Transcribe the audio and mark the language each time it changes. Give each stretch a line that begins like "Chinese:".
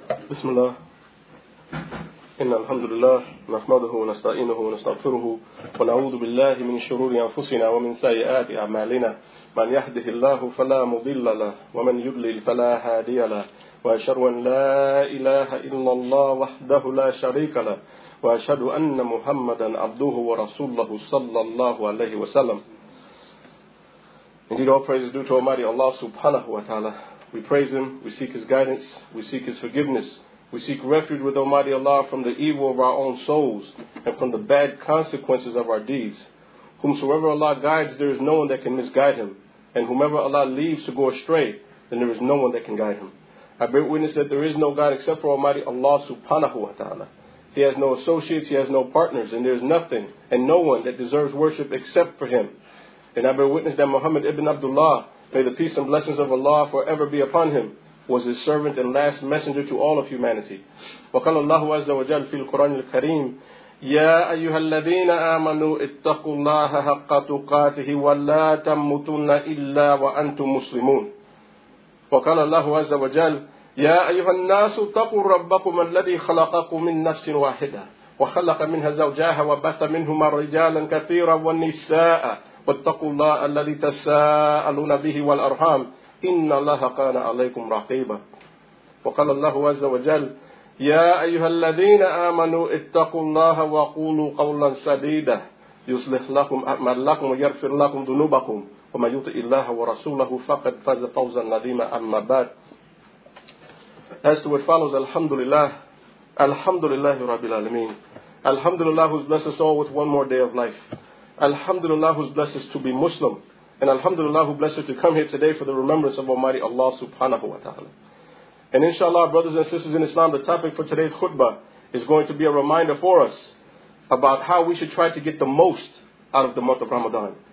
Arabic: بسم الله إن الحمد لله نحمده ونستعينه ونستغفره ونعوذ بالله من شرور أنفسنا ومن سيئات أعمالنا من يهده الله فلا مضل له ومن يضلل فلا هادي له وأشهد أن لا إله إلا الله وحده لا شريك له وأشهد أن محمدا عبده ورسوله صلى الله عليه وسلم.
English: Indeed, all praise is due to Almighty Allah subhanahu wa ta'ala. We praise Him, we seek His guidance, we seek His forgiveness. We seek refuge with Almighty Allah from the evil of our own souls and from the bad consequences of our deeds. Whomsoever Allah guides, there is no one that can misguide him. And whomever Allah leaves to go astray, then there is no one that can guide him. I bear witness that there is no God except for Almighty Allah subhanahu wa ta'ala. He has no associates, He has no partners, and there is nothing and no one that deserves worship except for Him. And I bear witness that Muhammad ibn Abdullah, may the peace and blessings of Allah forever be upon him, was his servant and last messenger to all of humanity.
Arabic: وَقَالَ اللَّهُ عَزَّ وَجَلْ فِي الْقُرَانِ الْكَرِيمِ يَا أَيُّهَا الَّذِينَ آمَنُوا اتَّقُوا اللَّهَ حَقَّ تُقَاتِهِ وَلَا تَمُّتُنَّ إِلَّا وَأَنْتُمْ مُسْلِمُونَ وَقَالَ اللَّهُ عَزَّ وَجَلْ يَا أَيُّهَا النَّاسُ اتَّقُوا رَبَّكُمَ الَّذِي خَلَقَكُم مِّن نَّفْسٍ وَاحِدَةٍ وَخَلَقَ مِنْهَا زَوْجَهَا وَبَثَّ مِنْهُمَا رِجَالًا كَثِيرًا وَنِسَاءً واتقوا الله الذي تساءلون به والأرحام إن الله كان عليكم رقيبا وقال الله عز وجل يا أيها الذين آمنوا اتقوا الله وقولوا قولا سديدا يصلح لكم أعمالكم ويغفر لكم ذنوبكم ومن يطع الله ورسوله فقد فاز فوزا عظيما أما بعد
English: As to what follows, Alhamdulillah, Alhamdulillah Rabbil Alameen, Alhamdulillah who's blessed us all with one more day of life. Alhamdulillah who's blessed us to be Muslim, and Alhamdulillah who blessed us to come here today for the remembrance of Almighty Allah subhanahu wa ta'ala. And inshallah, brothers and sisters in Islam, the topic for today's khutbah is going to be a reminder for us about how we should try to get the most out of the month of Ramadan.